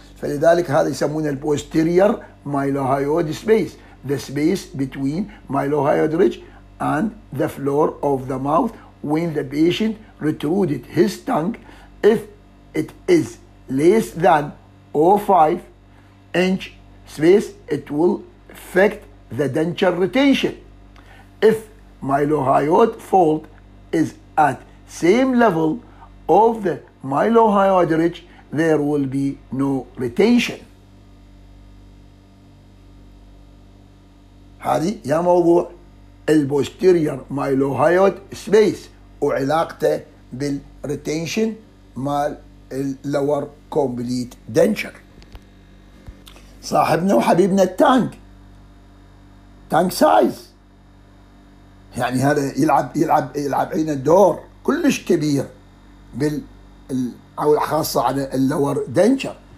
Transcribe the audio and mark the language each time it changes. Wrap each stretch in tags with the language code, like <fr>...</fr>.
<ar>فلذلك هذا يسمونه</ar> <en>البوستيريور mylohyoid space, the space between mylohyoid ridge and the floor of the mouth when the patient retruded his tongue if it is less than 0.5 inch space it will affect the denture retention. If mylohyoid fold is at same level of the mylohyoid ridge there will be no retention.</en> <ar>هذه يا موضوع البوستيريور مايلوهايود سبيس وعلاقته بالريتينشن مال اللور كومبليت دنشر. صاحبنا وحبيبنا التانك، تانك سايز، يعني هذا يلعب يلعب يلعب عين الدور كلش كبير بال او خاصه على اللور دنشر.</ar>